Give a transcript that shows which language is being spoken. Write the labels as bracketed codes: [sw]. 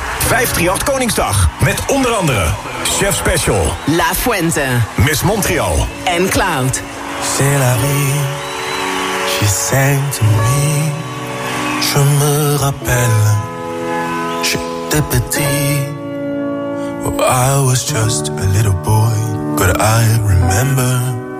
[nl] 538 Koningsdag, met onder andere Chef Special, La Fuente, Miss Montreal en Cloud. [en] C'est la vie, she sang to me. [fr] Je me rappelle, j'étais petit. [en] Oh, I was just a little boy, but I remember.